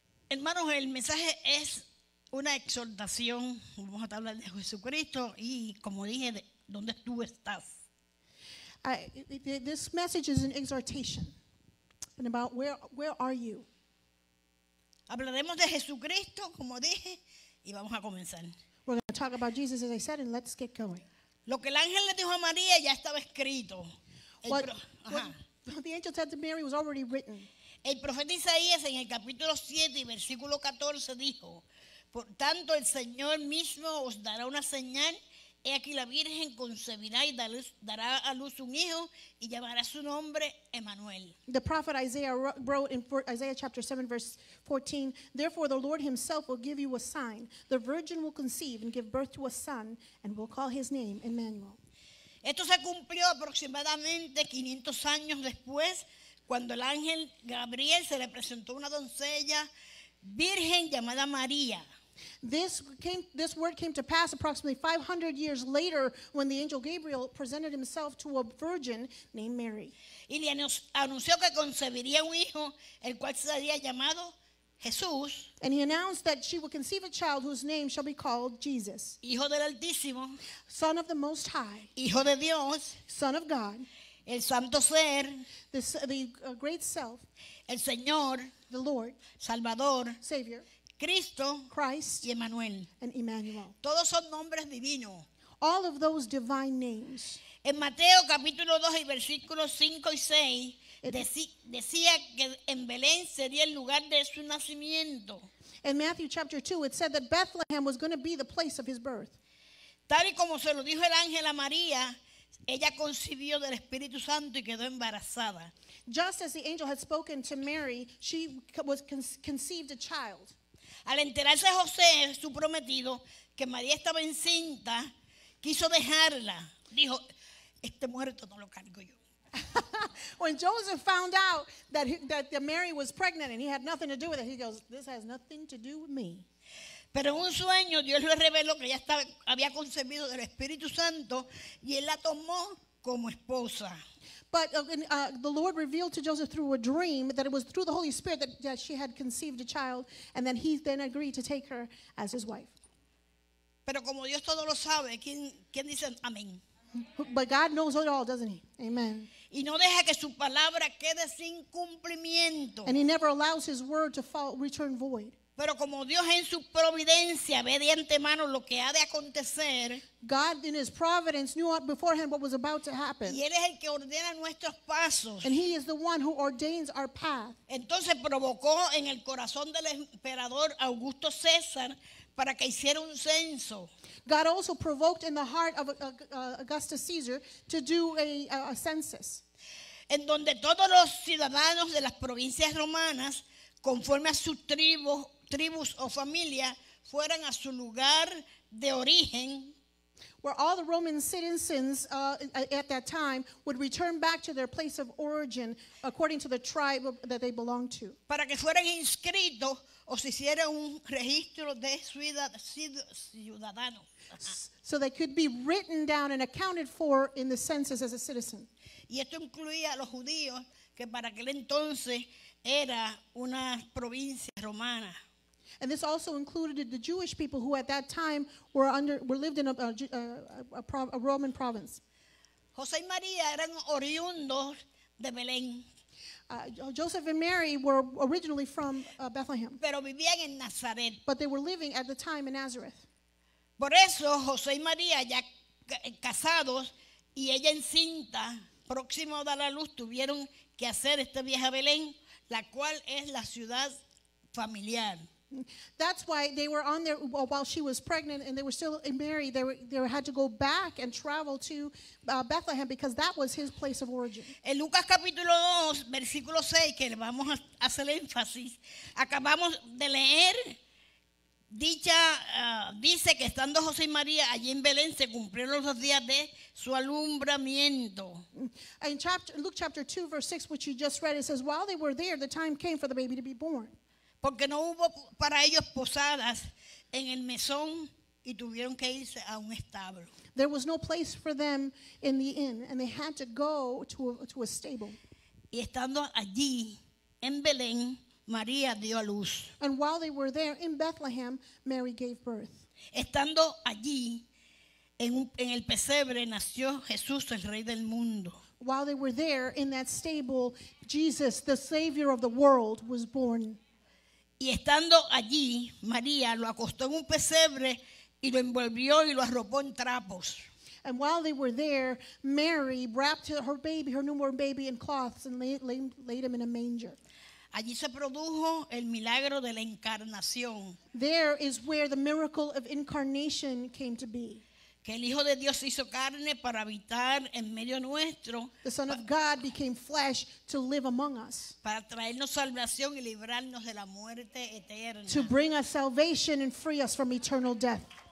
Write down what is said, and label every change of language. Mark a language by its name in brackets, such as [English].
[Spanish] Hermanos, el mensaje es una exhortación. Vamos a hablar de Jesucristo y, como dije, de dónde tú estás. [English] This message is an exhortation. And about where are you? [Spanish] Hablaremos de Jesucristo, como dije, y vamos a comenzar. [English] We're going to talk about Jesus, as I said, and let's get going. [Spanish] Lo que el ángel le dijo a María ya estaba escrito. [English] What the angel said to Mary was already written. [Spanish] El profeta Isaías en el capítulo 7, versículo 14, dijo: Por tanto, el Señor mismo os dará una señal. He aquí la Virgen concebirá y dará a luz un hijo y llamará su nombre Emmanuel. [English] The prophet Isaiah wrote in Isaiah chapter 7 verse 14, Therefore the Lord himself will give you a sign. The virgin will conceive and give birth to a son and will call his name Emmanuel. [Spanish] Esto se cumplió aproximadamente 500 años después cuando el ángel Gabriel se le presentó una doncella virgen llamada María. [English] This word came to pass approximately 500 years later when the angel Gabriel presented himself to a virgin named Mary. [Spanish] Y le anunció que concebiría un hijo, el cual sería llamado Jesús. [English] And he announced that she would conceive a child whose name shall be called Jesus. [Spanish] Hijo del Altísimo. [English] Son of the Most High. [Spanish] Hijo de Dios. [English] Son of God. [Spanish] El Santo Ser. [English] The Great Self. [Spanish] El Señor. [English] The Lord. [Spanish] Salvador. [English] Savior. [Spanish] Cristo, [English] Christ, [Spanish] y Emmanuel. [English] And Emmanuel. [Spanish] Todos son nombres divinos. [English] All of those divine names. [Spanish] En Mateo capítulo 2 y versículos 5 y 6 decía que en Belén sería el lugar de su nacimiento. [English] In Matthew chapter 2 it said that Bethlehem was going to be the place of his birth. [Spanish] Tal y como se lo dijo el ángel a María, ella concibió del Espíritu Santo y quedó embarazada. [English] Just as the angel had spoken to Mary, she was conceived a child. [Spanish] Al enterarse José, su prometido, que María estaba encinta, quiso dejarla. Dijo, este muerto no lo cargo yo. [English] When Joseph found out that Mary was pregnant and he had nothing to do with it, he goes, this has nothing to do with me. [Spanish] Pero en un sueño Dios le reveló que ella había concebido del Espíritu Santo y él la tomó como esposa. [English] But the Lord revealed to Joseph through a dream that it was through the Holy Spirit that she had conceived a child, and then he then agreed to take her as his wife. [Spanish] Pero como Dios todo lo sabe, ¿quién dice amén? [English] But God knows it all, doesn't he? Amen. [Spanish] Y no deja que su palabra quede sin cumplimiento. [English] And he never allows his word to return void. [Spanish] Pero como Dios en su providencia ve de antemano lo que ha de acontecer, [English] God in his providence knew beforehand what was about to happen. [Spanish] Y él es el que ordena nuestros pasos. [English] And he is the one who ordains our path. [Spanish] Entonces provocó en el corazón del emperador Augusto César para que hiciera un censo. [English] God also provoked in the heart of Augustus Caesar to do a census. [Spanish] En donde todos los ciudadanos de las provincias romanas, conforme a sus tribus o familia, fueran a su lugar de origen. [English] Where all the Roman citizens at that time would return back to their place of origin according to the tribe that they belonged to. [Spanish] Para que fueran inscritos o se hiciera un registro de ciudadanos. [English] So they could be written down and accounted for in the census as a citizen. [Spanish] Y esto incluía a los judíos, que para aquel entonces era una provincia romana. [English] And this also included the Jewish people who at that time lived in a Roman province. [Spanish] José y María eran oriundos de Belén. [English] Joseph and Mary were originally from Bethlehem. [Spanish] Pero vivían en Nazaret. [English] But they were living at the time in Nazareth. [Spanish] Por eso José y María ya casados y ella encinta, próximo a dar a luz, tuvieron que hacer este viaje a Belén, la cual es la ciudad familiar. [English] That's why they were on there while she was pregnant and they were still married. They had to go back and travel to Bethlehem because that was his place of origin. [Spanish] En Lucas capítulo 2, versículo 6, que le vamos a hacer énfasis, acabamos de leer, dice que estando José y María allí en Belén se cumplieron los días de su alumbramiento. [English] In Luke chapter 2, verse 6, which you just read, it says, while they were there, the time came for the baby to be born. [Spanish] Porque no hubo para ellos posadas en el mesón y tuvieron que irse a un establo. [English] There was no place for them in the inn and they had to go to a stable. [Spanish] Y estando allí en Belén, María dio a luz. [English] And while they were there in Bethlehem, Mary gave birth. [Spanish] Estando allí en el pesebre nació Jesús, el rey del mundo. [English] While they were there in that stable, Jesus, the savior of the world, was born. [Spanish] Y estando allí, María lo acostó en un pesebre y lo envolvió y lo arropó en trapos. [English] And while they were there, Mary wrapped her newborn baby in cloths and laid him in a manger. [Spanish] Allí se produjo el milagro de la encarnación. [English] There is where the miracle of incarnation came to be. [Spanish] Que el Hijo de Dios hizo carne para habitar en medio nuestro. [English] The Son of God became flesh to live among us. [Spanish] Para traernos salvación y librarnos de la muerte eterna. [English] To bring us salvation and free us from eternal death.